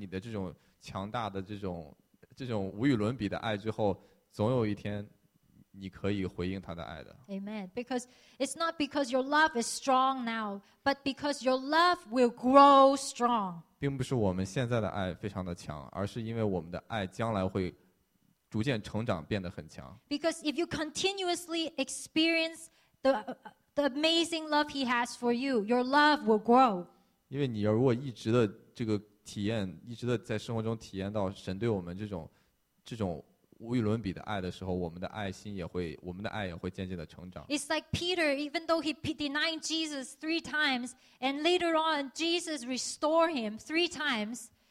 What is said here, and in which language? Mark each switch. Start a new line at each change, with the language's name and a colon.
Chinese: 因为神知道，当他对你彰显他对你的这种强大的这种 这种无与伦比的爱之后，总有一天，你可以回应他的爱的。Amen.
English: Because it's not because your love is strong now, but because your love will grow strong.
Chinese: 并不是我们现在的爱非常的强，而是因为我们的爱将来会逐渐成长，变得很强。
English: Because if you continuously experience the amazing love He has for you, your love will grow.
Chinese: 因为你如果一直的这个体验，一直的在生活中体验到神对我们这种无与伦比的爱的时候，我们的爱心也会，我们的爱也会渐渐的成长。
English: It's like Peter, even though he denied Jesus three times, and later on Jesus restored him three times.